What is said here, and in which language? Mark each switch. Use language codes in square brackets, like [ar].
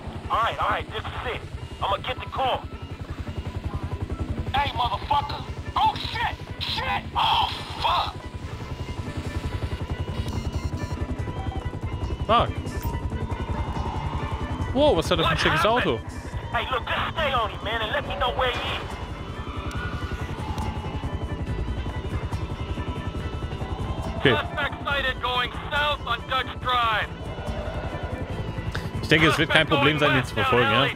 [en] Alright, alright, this is it. I'ma get the call. Hey, motherfucker! Oh shit! Shit! Oh fuck! Fuck. [de] Whoa, was hat er für ein schickes Auto? [en] Hey, look, just stay on him, man, and let me know where he is. Okay. Suspect sighted going south on Dutch Drive. [de] Ich denke, es wird kein Problem sein, ihn zu verfolgen, ja?